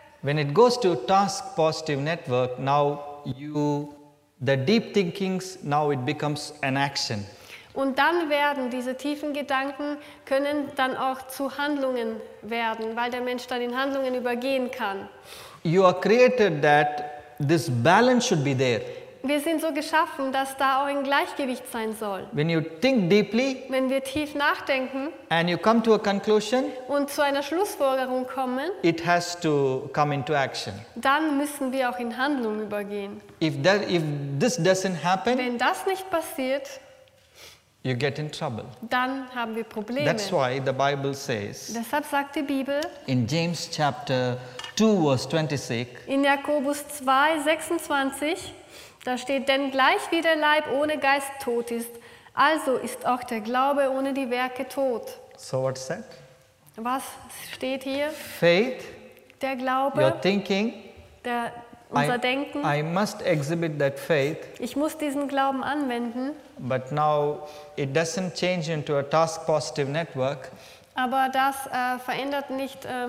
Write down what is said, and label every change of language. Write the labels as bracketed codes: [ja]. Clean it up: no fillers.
[en] When it goes to task positive network, now the deep thinkings, now it becomes an action. [de] Und dann werden diese tiefen Gedanken, können dann auch zu Handlungen werden, weil der Mensch dann in Handlungen übergehen kann. [en] You are created that this balance should be there. [de] Wir sind so geschaffen, dass da auch ein Gleichgewicht sein soll. [en] When you think deeply, [de] wenn wir tief nachdenken, [en] and you come to a conclusion, [de] und zu einer Schlussfolgerung kommen, [en] it has to come into action. [de] Dann müssen wir auch in Handlung übergehen. [en] If this doesn't happen, [de] wenn das nicht passiert, [en] you get in trouble. [de] Dann haben wir Probleme. [en] That's why the Bible says. [de] Deshalb sagt die Bibel. [en] In James chapter 2 verse 26. [de] In Jakobus 2, 26, da steht: Denn gleich wie der Leib ohne Geist tot ist, also ist auch der Glaube ohne die Werke tot. [en] So what's that? [de] Was steht hier? [en] Faith. [de] Der Glaube. [en] Your thinking. [de] Unser Denken. [en] I must exhibit that faith. [de] Ich muss diesen Glauben anwenden. [en] But now it doesn't change into a task positive network. [de] Aber das verändert nicht